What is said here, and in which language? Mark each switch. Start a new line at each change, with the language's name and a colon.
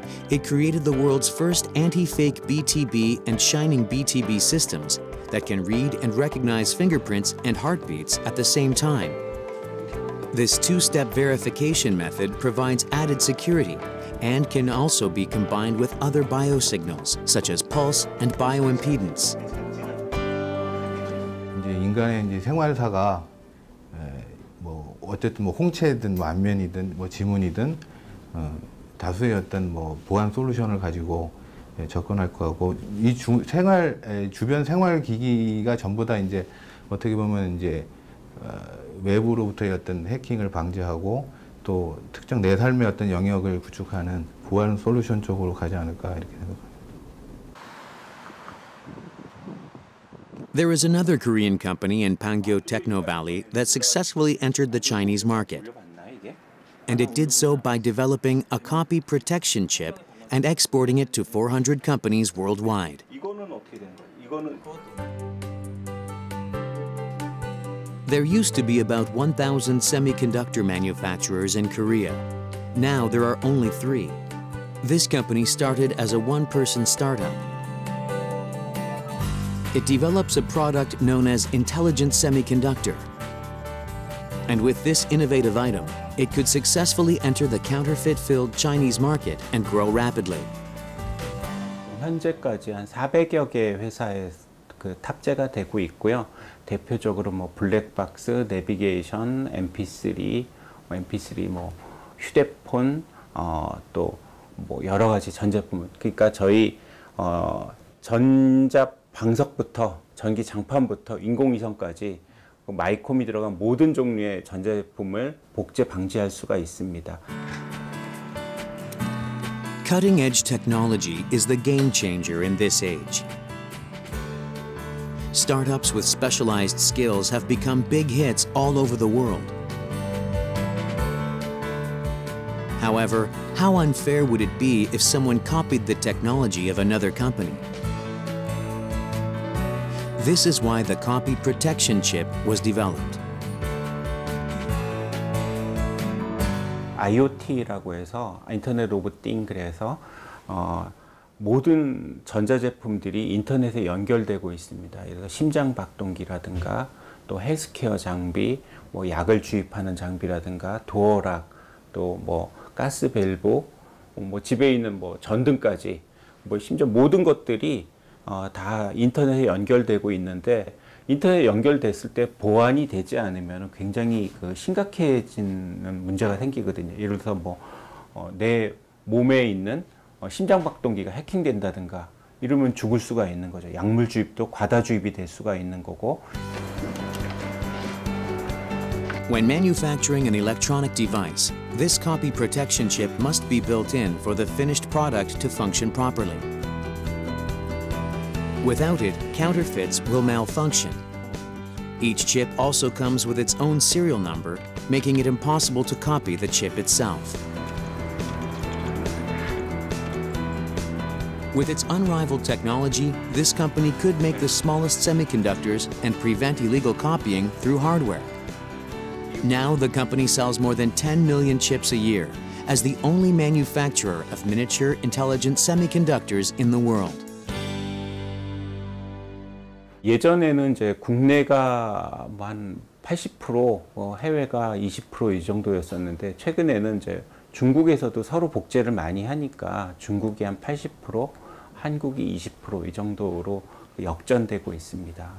English: It created the world's first anti-fake BTB and shining BTB systems that can read and recognize fingerprints and heartbeats at the same time. This two-step verification method provides added security and can also be combined with other biosignals, such as pulse and bioimpedance.
Korean: 이제 인간의 이제 생활사가 뭐 어쨌든 뭐 홍채든 만면이든 뭐 지문이든 다수의 어떤 뭐 보안 솔루션을 가지고 접근할 거고 이 생활 주변 생활 기기가 전부 다 이제 어떻게 보면 이제 외부로부터의 어떤 해킹을 방지하고 또 특정 내 삶의 어떤 영역을 구축하는 보안 솔루션 쪽으로 가지 않을까 이렇게 생각합니다.
English: There is another Korean company in Pangyo Techno Valley that successfully entered the Chinese market. And it did so by developing a copy protection chip and exporting it to 400 companies worldwide.
Korean: 이거는 어떻게 된 거야? 이거는
English: There used to be about 1,000 semiconductor manufacturers in Korea. Now there are only three. This company started as a one-person startup. It develops a product known as intelligent semiconductor. And with this innovative item, it could successfully enter the counterfeit-filled Chinese market and grow rapidly.
Korean: 현재까지 한 400여 개의 회사에 그 탑재가 되고 있고요. 대표적으로 뭐 블랙박스, 내비게이션, MP3 뭐 휴대폰 또 뭐 여러 가지 전제품. 그러니까 저희 전자 방석부터 전기 장판부터 인공위성까지 마이콤이 들어간 모든 종류의 전제품을 복제 방지할 수가 있습니다.
English: Cutting-edge technology is the game changer in this age. Startups with specialized skills have become big hits all over the world. However, how unfair would it be if someone copied the technology of another company? This is why the copy protection chip was developed.
Korean: IoT라고 해서 인터넷 오브 띵 그래서 모든 전자제품들이 인터넷에 연결되고 있습니다. 그래서 심장 박동기라든가 또 헬스케어 장비, 뭐 약을 주입하는 장비라든가 도어락, 또 뭐 가스 밸브, 뭐 집에 있는 뭐 전등까지 뭐 심지어 모든 것들이 다 인터넷에 연결되고 있는데 인터넷에 연결됐을 때 보안이 되지 않으면 굉장히 그 심각해지는 문제가 생기거든요. 예를 들어서 뭐 내 몸에 있는 심장 박동기가 해킹된다든가 이러면 죽을 수가 있는 거죠. 약물 주입도 과다 주입이 될 수가 있는 거고.
English: When manufacturing an electronic device, this copy protection chip must be built in for the finished product to function properly. Without it, counterfeits will malfunction. Each chip also comes with its own serial number, making it impossible to copy the chip itself. With its unrivaled technology, this company could make the smallest semiconductors and prevent illegal copying through hardware. Now the company sells more than 10 million chips a year as the only manufacturer of miniature intelligent semiconductors in the world.
Korean: 예전에는 이제 국내가 뭐 한 80%, 뭐 해외가 20% 이 정도였었는데 최근에는 이제 중국에서도 서로 복제를 많이 하니까 중국이 한 80%, 한국이 20% 이 정도로 역전되고 있습니다.